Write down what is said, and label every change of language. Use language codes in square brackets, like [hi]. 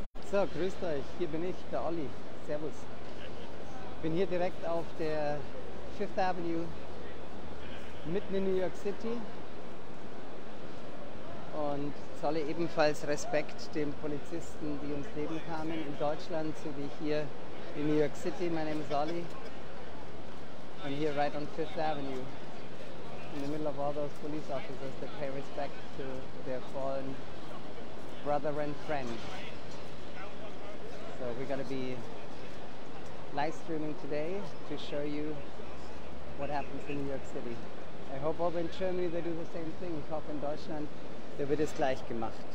[de] So, grüßt euch, hier bin ich, der Olli. Servus. Bin hier direkt auf der Fifth Avenue, mitten in New York City. Und zolle ebenfalls Respekt den Polizisten, die ums Leben kamen in Deutschland, sowie hier in New York City. [en] My name is Olli. I'm here right on Fifth Avenue. In the middle of all those police officers that pay respect to their fallen brother and friend. So we're going to be live streaming today to show you what happens in New York City. I hope over in Germany they do the same thing. [de] Ich hoffe in Deutschland, da wird es gleich gemacht.